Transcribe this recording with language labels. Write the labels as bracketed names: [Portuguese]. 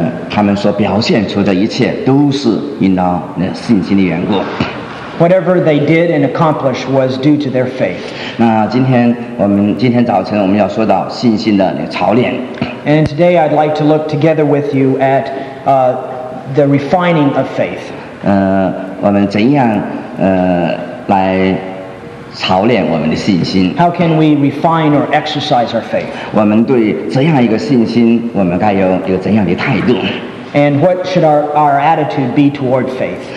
[Chinese] 他们所表现出的一切都是因着那信心的缘故。 [English] Whatever they did and accomplished was due to their faith. [Chinese] 那今天我们今天早晨我们要说到信心的那个操练。 [English] And today I'd like to look together with you at the refining of faith. [Chinese] 我们怎样来操练我们的信心 [English] ？How can we refine or exercise our faith? [Chinese] 我们对怎样一个信心，我们该有一个怎样的态度 [English] ？And what should our attitude be toward faith?